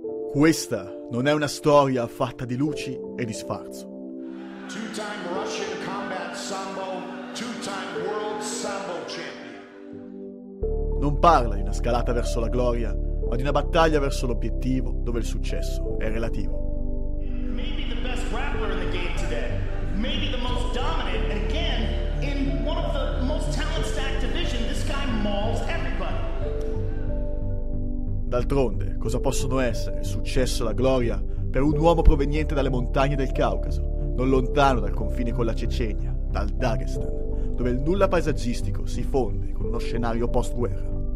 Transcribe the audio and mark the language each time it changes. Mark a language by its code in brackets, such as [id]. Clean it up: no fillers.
[it] Questa non è una storia fatta di luci e di sfarzo. [en] Two-time Russian combat sambo, two-time world sambo champion. [it] Non parla di una scalata verso la gloria, ma di una battaglia verso l'obiettivo dove il successo è relativo. [en] Maybe the best grappler in the game today. Maybe the most dominant. And again, in one of the most talent stacked division, this guy mauls everybody. [it] D'altronde, cosa possono essere il successo e la gloria per un uomo proveniente dalle montagne del Caucaso, non lontano dal confine con la Cecenia, dal Dagestan, dove il nulla paesaggistico si fonde con uno scenario post-guerra.